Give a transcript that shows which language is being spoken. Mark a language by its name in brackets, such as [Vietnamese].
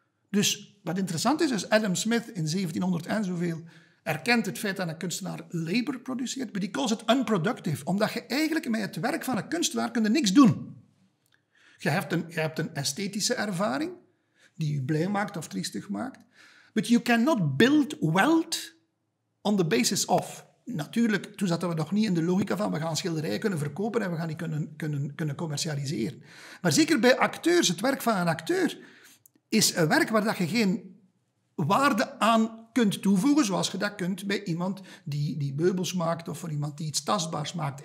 [Dutch] Dus wat interessant is Adam Smith in 1700 en zoveel erkent het feit dat een kunstenaar labor produceert, maar die calls het unproductive, omdat je eigenlijk met het werk van een kunstenaar kunt niks doen. Je hebt een esthetische ervaring, die je blij maakt of triestig maakt. [English] But you cannot build wealth on the basis of. [Dutch] Natuurlijk, toen zaten we nog niet in de logica van we gaan schilderijen kunnen verkopen en we gaan die kunnen commercialiseren. Maar zeker bij acteurs, het werk van een acteur is een werk waar je geen waarde aan kunt toevoegen zoals je dat kunt bij iemand die meubels maakt of voor iemand die iets tastbaars maakt.